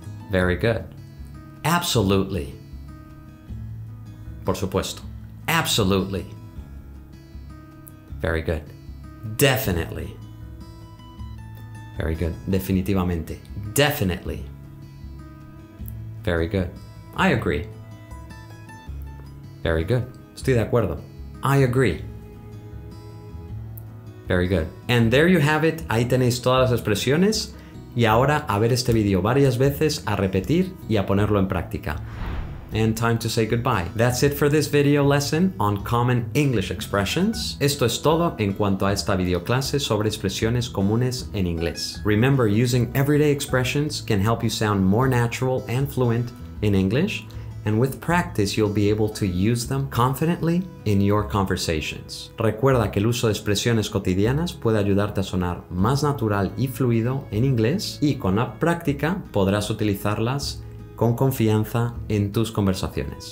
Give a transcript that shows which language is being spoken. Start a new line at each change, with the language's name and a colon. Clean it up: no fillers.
English: Very good. Absolutely.
Spanish: Por supuesto.
English: Absolutely. Very good. Definitely. Very good.
Spanish: Definitivamente.
English: Definitely. Very good. I agree. Very good.
Spanish: Estoy de acuerdo.
English: I agree. Very good. And there you have it.
Spanish: Ahí tenéis todas las expresiones. Y ahora a ver este video varias veces, a repetir y a ponerlo en práctica.
English: And time to say goodbye. That's it for this video lesson on common English expressions.
Spanish: Esto es todo en cuanto a esta videoclase sobre expresiones comunes en inglés.
English: Remember, using everyday expressions can help you sound more natural and fluent in English. And with practice, you'll be able to use them confidently in your conversations.
Spanish: Recuerda que el uso de expresiones cotidianas puede ayudarte a sonar más natural y fluido en inglés, y con la práctica podrás utilizarlas con confianza en tus conversaciones.